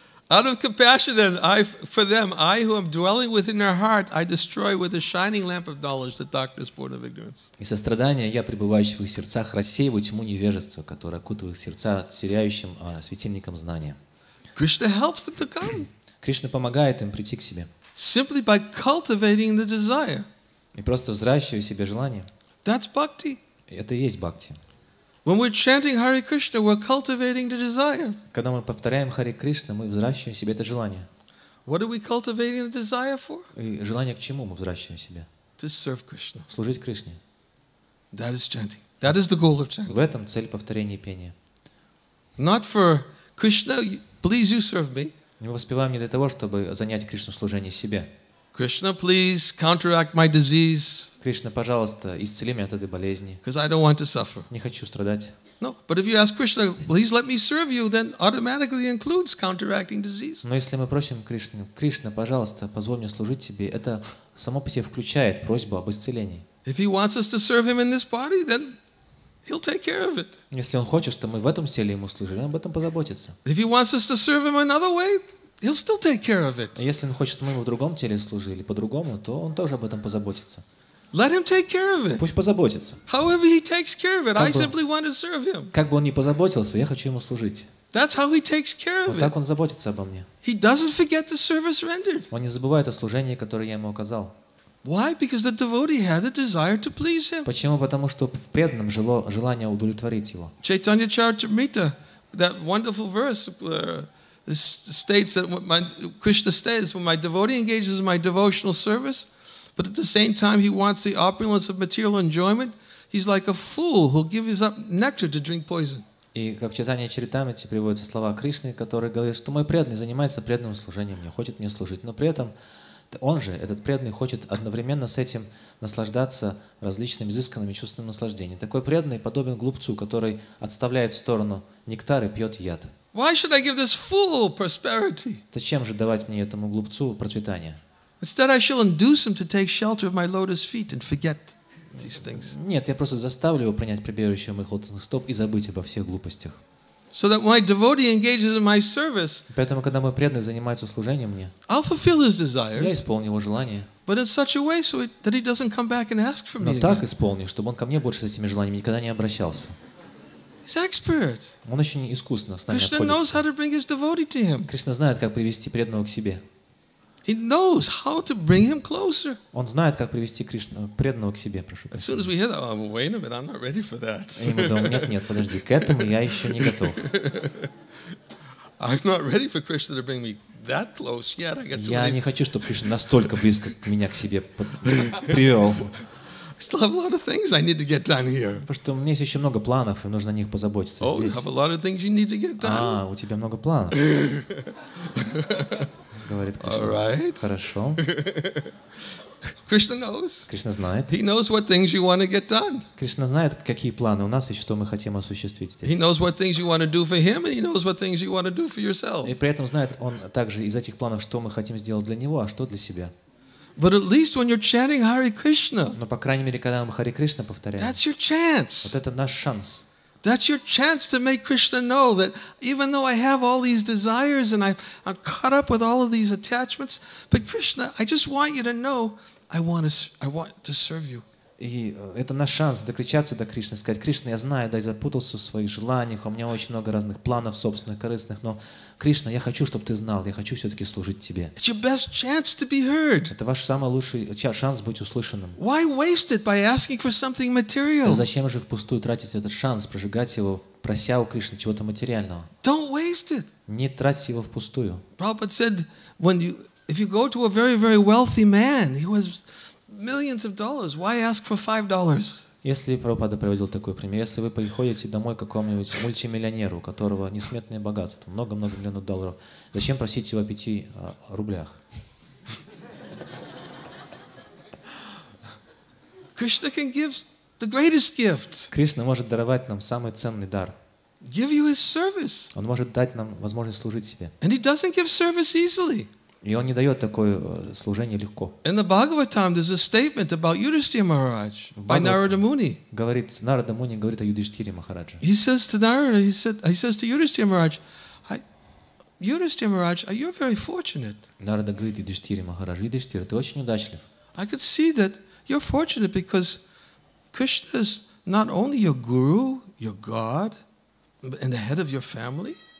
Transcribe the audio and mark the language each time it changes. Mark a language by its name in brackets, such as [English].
[English] Out of compassion, then, I, who am dwelling within their heart, I destroy with the shining lamp of knowledge the darkness born of ignorance. [Russian] И сострадание я пребывающий в их сердцах рассеиваю тьму невежества, которое окутывает их сердца теряющим светильником знания. [English] Krishna helps them to come. [Russian] Кришна помогает им прийти к себе. [English] Simply by cultivating the desire. [Russian] И просто взращивая себе желание. [English] That's bhakti. [Russian] Это и есть бхакти. [English] When we're chanting Hare Krishna, we're cultivating the desire. [Russian] Когда мы повторяем Харе Кришна, мы взращиваем себе это желание. [English] What are we cultivating the desire for? [Russian] И желание к чему мы взращиваем себе? [English] To serve Krishna. [Russian] Служить Кришне. [English] That is chanting. That is the goal of chanting. [Russian] В этом цель повторения пения. [English] Not for Krishna, please you serve me. [Russian] Мы воспеваем не для того, чтобы занять Кришну служение себе. [English] Krishna, please counteract my disease. [Russian] Кришна, пожалуйста, исцели меня от этой болезни. [English] Because I don't want to suffer. [Russian] Не хочу страдать. [English] No, but if you ask Krishna, please let me serve you, then automatically includes counteracting disease. [Russian] Но если мы просим Кришну, Кришна, пожалуйста, позволь мне служить тебе, это само по себе включает просьбу об исцелении. [English] If he wants us to serve him in this body, then he'll take care of it. [Russian] Если он хочет, чтобы мы в этом теле ему служили, он об этом позаботится. [English] If he wants us to serve him another way, he'll still take care of it. [Russian] Если он хочет, чтобы мы в другом теле служили по-другому, то он тоже об этом позаботится. [English] Let him take care of it. [Russian] Пусть позаботится. [English] However he takes care of it, I simply want to serve him. [Russian] Как бы он ни позаботился, я хочу ему служить. [English] That's how he takes care of it. [Russian] Вот так он заботится обо мне. [English] He doesn't forget the service rendered. [Russian] Он не забывает о служении, которое я ему оказал. [English] Why? Because the devotee had a desire to please him. [Russian] Почему? Потому что в преданном жило желание удовлетворить его. [English] Chaitanya Charitamrita, that wonderful verse. States that my Krishna states when my devotee engages in my devotional service, but at the same time he wants the opulence of material enjoyment, he's like a fool who gives up nectar to drink poison. [Russian] И как в читании Чаритамрите приводятся слова Кришны, который говорит, что мой преданный занимается преданным служением, не хочет мне служить, но при этом он же, этот преданный, хочет одновременно с этим наслаждаться различными изысканными чувствами наслаждения. Такой преданный подобен глупцу, который отставляет в сторону нектар и пьет яд. [English] Why should I give this fool prosperity? [Russian] Зачем же давать мне этому глупцу процветание? [English] Instead, I shall induce him to take shelter of my lotus feet and forget these things. [Russian] Нет, я просто заставлю его принять прибежище у моих лотосных стоп и забыть обо всех глупостях. [English] So that my devotee engages in my service. [Russian] Поэтому, когда мой преданный занимается служением мне, [English] I'll fulfill his desires. [Russian] Я исполню его желание. [English] But in such a way so that he doesn't come back and ask for me. [Russian] Но так исполню, чтобы он ко мне больше с этими желаниями никогда не обращался. [English] He's expert. [Russian] Он очень искусно с нами [English] Krishna [Russian] обходится. [English] Knows how to bring his devotee to him. [Russian] Кришна знает, как привести преданного к себе. [English] He knows how to bring him closer. [Russian] Он знает, как привести Кришну преданного к себе. Прошу. [English] As soon as we hear that, oh, wait a minute, I'm not ready for that. [Russian] И мы думаем, нет, подожди, к этому я еще не готов. [English] I'm not ready for Krishna to bring me that close yet. I got to. [Russian] Я не хочу, чтобы Кришна настолько близко меня к себе привел. [English] I still have a lot of things I need to get done here. [Russian] Потому что у меня есть еще много планов, и нужно о них позаботиться здесь. [English] Oh, you have a lot of things you need to get done. [Russian] А, у тебя много планов. Говорит Кришна. [English] All right. [Russian] Хорошо. [English] Krishna knows. [Russian] Кришна знает. [English] He knows what things you want to get done. [Russian] Кришна знает, какие планы у нас и что мы хотим осуществить здесь. [English] He knows what things you want to do for him, and he knows what things you want to do for yourself. [Russian] И при этом знает он также из этих планов, что мы хотим сделать для него, а что для себя. [English] But at least when you're chanting Hare Krishna. [Russian] Но по крайней мере, когда мы Харе Кришна повторяем. [English] That's your chance. [Russian] Вот это наш шанс. [English] That's your chance to make Krishna know that even though I have all these desires and I'm caught up with all of these attachments, but Krishna, I just want you to know I want to serve you. [Russian] И это наш шанс докричаться до Кришны, сказать: «Кришна, я знаю, да, я запутался в своих желаниях, у меня очень много разных планов собственных, корыстных, но, Кришна, я хочу, чтобы ты знал, я хочу все-таки служить тебе». [English] It's your best chance to be heard. [Russian] Это ваш самый лучший шанс быть услышанным. [English] Why waste it by asking for something material? [Russian] Да зачем же впустую тратить этот шанс, прожигать его, прося у Кришны чего-то материального? [English] Don't waste it. [Russian] Не трать его впустую. [English] Prabhupada said, if you go to a very, very wealthy man, he was... millions of dollars. Why ask for $5? [Russian] Если Прабхупада приводил такой пример, если вы приходите домой к какому-нибудь мультимиллионеру, у которого несметное богатство, много-много миллионов долларов, зачем просить его о 5 рублях? [English] Krishna can give the greatest gift. [Russian] Кришна может даровать нам самый ценный дар. [English] Give you his service. [Russian] Он может дать нам возможность служить себе. [English] And he doesn't give service easily. [Russian] И он не дает такое служение легко. [English] In the Bhagavatam there's a statement about Yudhishthira Maharaj by Narada Muni. [Russian] Говорит Нарада Муни говорит о Юдиштхире Махарадже. [English] He says to Narada, he says to Yudhishthira Maharaj, Yudhishthira Maharaj, you're very fortunate. [Russian] Нарада говорит Юдиштхире Махараджу: Юдиштхира, ты очень удачлив. [English] I could see that you're fortunate because Krishna is not only your guru, your god, and the head of your family.